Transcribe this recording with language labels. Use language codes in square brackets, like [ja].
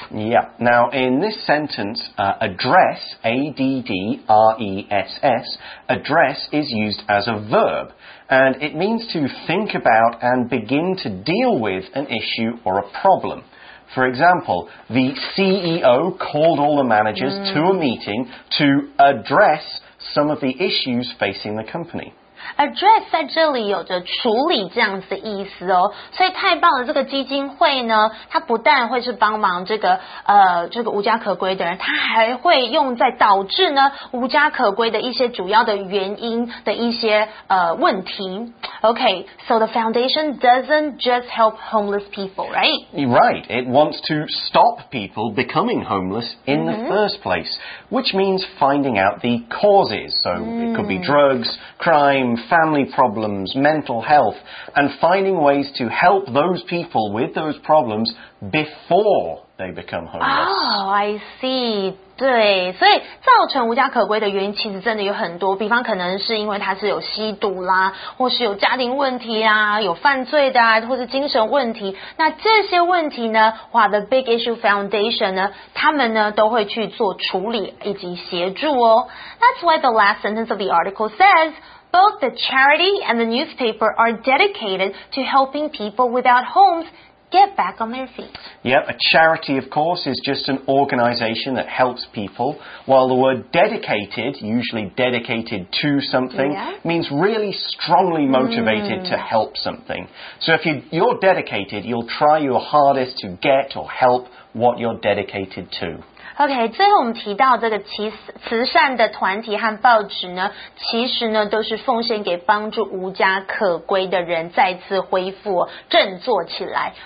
[en] Yeah. Now, in this sentence, address, A-D-D-R-E-S-S, address is used as a verb. And it means to think about and begin to deal with an issue or a problem. For example, the CEO called all the managers、mm. to a meeting to address some of the issues facing the company. [zh] Address 在这里有着处理这样子的意思哦，所以太棒了！这个基金会呢，它不但会是帮忙这个无家可归的人，它还会用在导致呢无家可归的一些主要的原因的一些问题。 [en] Okay, so the foundation doesn't just help homeless people, right? Right. It wants to stop people becoming homeless in、mm-hmm. the first place, which means finding out the causes. So、mm. it could be drugs, crime, family problems, mental health, and finding ways to help those people with those problems before they become homeless. Oh, I see. [zh] 对，所以造成无家可归的原因其实真的有很多，比方可能是因为他是有吸毒啦，或是有家庭问题啊，有犯罪的啊，或是精神问题。那这些问题呢，哇 ，The Big Issue Foundation 呢，他们呢都会去做处理以及协助哦。 [en] That's why the last sentence of the article says. Both the charity and the newspaper are dedicated to helping people without homes get back on their feet. Yep, a charity, of course, is just an organization that helps people, while the word dedicated, usually dedicated to something,、 yeah. means really strongly motivated、mm. to help something. So if you're dedicated, you'll try your hardest to get or help what you're dedicated to. [zh] OK, 最后我们提到这个慈善的团体和报纸呢，其实呢都是奉献给帮助无家可归的人再次恢复振作起来。